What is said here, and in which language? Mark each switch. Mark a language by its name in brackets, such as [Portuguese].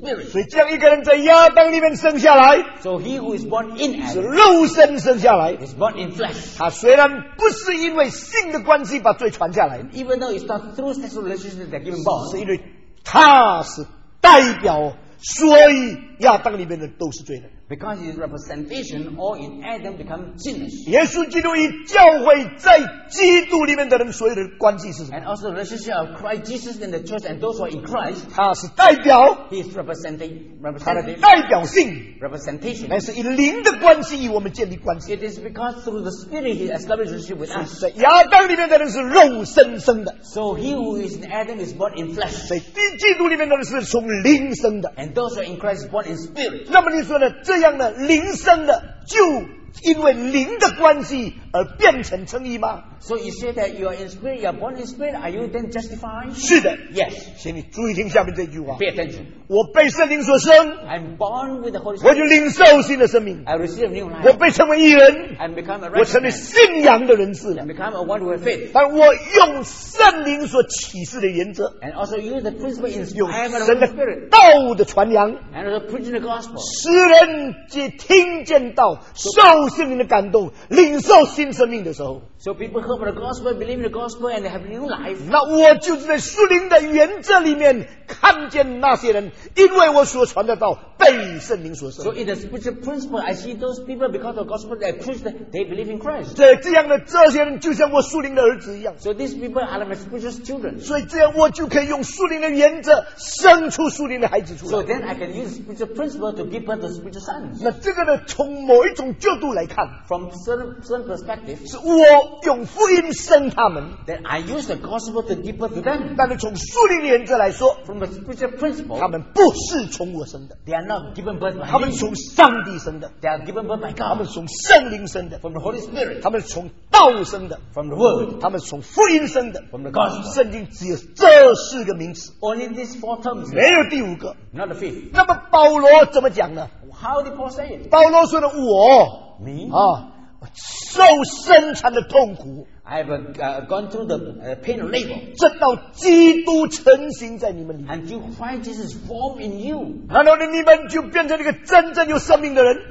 [Chinese] 所以这样一个人在亚当里面生下来，是肉身生下来，他虽然不是因为性的关系把罪传下来，是因为他是代表，所以亚当里面的都是罪人。 [English] Because his representation, all in Adam become sinners. [Chinese] 耶稣基督与教会在基督里面的人所有的关系是什么？ [English] And also the relationship of Christ Jesus in the church and those who are in Christ. [Chinese] 他是代表。 [English] He is representing. [Chinese] 他的代表性。 [English] Representation. [Chinese] 乃是以灵的关系与我们建立关系。 [English] It is because through the Spirit he establishes relationship with us. [Chinese] 在亚当里面的人是肉身生的。 [English] So he who is in Adam is born in flesh. [Chinese] 在基督里面的人是从灵生的。 [English] And those who are in Christ is born in spirit. [Chinese] 那么你说呢？这样的灵生的就因为灵的关系而变成称义吗？ [English] So you say that you are in spirit, you are born in spirit, are you then justified? [Chinese] 是的。 [English] Yes. [Chinese] 请你注意听下面这句话。 [English] Pay attention. [Chinese] 我被圣灵所生， [English] I'm born with the Holy Spirit. [Chinese] 我就领受新的生命， [English] I receive new life. [Chinese] 我被称为义人， [English] I'm become a righteous. [Chinese] 我成为信仰的人士， [English] I'm become a one with faith. [Chinese] 但我用圣灵所启示的原则， [English] And also use the principle in spirit. [Chinese] 用神的道的传扬， [English] And also preaching the gospel. [Chinese] 使人皆听见道，受圣灵的感动，领受新生命的时候。 [English] So people heard the gospel, believe in the gospel, and they have new life. [Chinese] 那我就是在属灵的原则里面看见那些人，因为我所传的道被圣灵所生。 [English] So in the spiritual principle, I see those people because of the gospel they preach, they believe in Christ. [Chinese] 对，这样的这些人就像我属灵的儿子一样。 [English] So these people are my spiritual children. [Chinese] 所以这样我就可以用属灵的原则生出属灵的孩子出来。 [English] So then I can use spiritual principle to give birth to spiritual sons. [Chinese] 那这个呢，从某一种角度来看， [English] From certain perspective, [Chinese] 是我用福音生他们。 [English] Then I use the gospel to give birth to them. [Chinese] 但是从属灵的原则来说， [English] From the spiritual principle, [Chinese] 他们不是从我生的。 [English] They are not given birth by me. [Chinese] 他们从上帝生的。 [English] They are given birth by God. [Chinese] 他们从圣灵生的。 [English] From the Holy Spirit. [Chinese] 他们从道生的。 [English] From the Word. [Chinese] 他们从福音生的。 [English] From the Gospel. [Chinese] 圣经只有这四个名词。 [English] Only these four terms. [Chinese] 没有第五个。 [English] Not the fifth. [Chinese] 那么保罗怎么讲呢？ [English] How did Paul say it? [Chinese] 保罗说的我。 [English] Me? [Chinese] 啊，受生产的痛苦。 [English] I have gone through the pain of labor. [Chinese] 直到基督成形在你们里面。 [English] And you find Jesus form in you. [Chinese] 然后你们就变成一个真正有生命的人。